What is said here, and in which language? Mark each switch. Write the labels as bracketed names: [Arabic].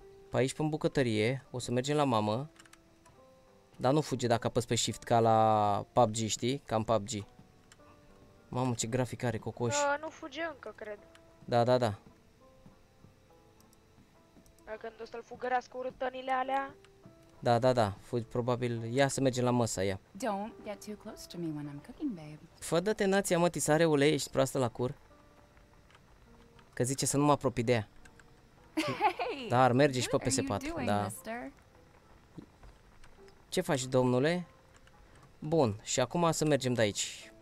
[Romanian] Pe aici, pe în bucătărie, o să mergem la mamă. Dar nu fuge dacă apăs pe shift ca la PUBG, știi? Cam PUBG. Mamă, ce grafic are, cocoș. Nu fuge încă, cred. Da, da, da. Dacă nu o să-l fugărească urâtănile alea. Da, da, da, fugi probabil. Ia să mergem la măsa, ia. [English] Don't get too close to me when I'm cooking, babe. [Romanian] Fă dă-te nația, mă, tisare, ulei, ești proastă la cur. Că zice să nu mă apropii de ea. Dar merge și pe PS4, da. Ce faci, domnule? Bun, și acum să mergem de aici.